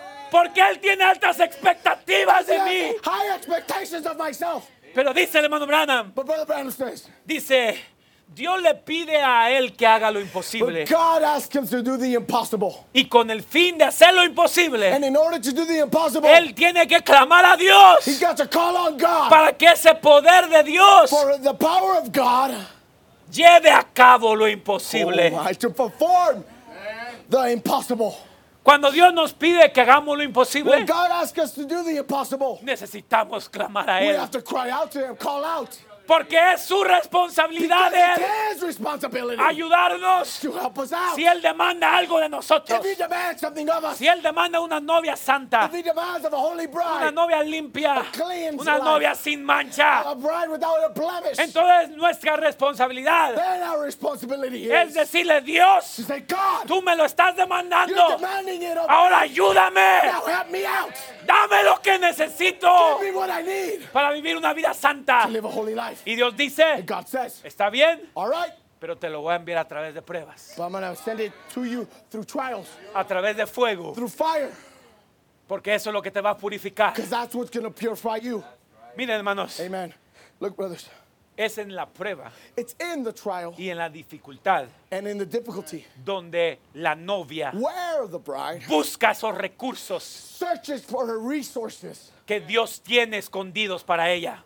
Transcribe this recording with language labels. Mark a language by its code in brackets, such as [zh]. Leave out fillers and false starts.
[es] Porque Él tiene altas expectativas de mí. Pero dice el hermano Branham. Dice, Dios le pide a él que haga lo imposible. [en] But God asks him to do the impossible. [es] Y con el fin de hacer lo imposible. [en] And in order to do the impossible. [es] Él tiene que clamar a Dios. [en] He's got to call on God. [es] Para que ese poder de Dios. [en] For the power of God. [es] lleve a cabo lo imposible. [en] To perform the impossible. [es] Cuando Dios nos pide que hagamos lo imposible, [en] when God asks us to do the impossible, [es] necesitamos clamar a Él. [en] We have to cry out to Him, call out. [es] Porque es su responsabilidad ayudarnos [en] to help us out. [es] Si Él demanda algo de nosotros, [en] if he demands something of us, [es] si Él demanda una novia santa, [en] if he demands of a holy bride, [es] una novia limpia, [en] a clean [es] una [en] life, [es] novia sin mancha, [en] a bride without a blemish. [es] Entonces nuestra responsabilidad, [en] then our responsibility is, [es] es decirle, Dios, [en] to say, God, [es] tú me lo estás demandando, [en] you're demanding it of [es] ahora [en] me. [es] Ayúdame, [en] now help me out. [es] Dame lo que necesito, [en] give me what I need, [es] para vivir una vida santa, [en] to live a holy life. [es] Y Dios dice, [en] and God says, [es] está bien, [en] all right, [es] pero te lo voy a enviar a través de pruebas. [en] But I'm going to send it to you through trials. [es] A través de fuego. [en] Through fire. [es] Porque eso es lo que te va a purificar. [en] Because that's what's going to purify you. [es] Miren, hermanos. [en] Amen. Look, brothers. [es] Es en la prueba. [en] It's in the trial. [es] Y en la dificultad. [en] And in the difficulty. [es] Donde la novia, [en] where the bride, [es] busca esos recursos, [en] searches for her resources, [es] que Dios tiene escondidos para ella,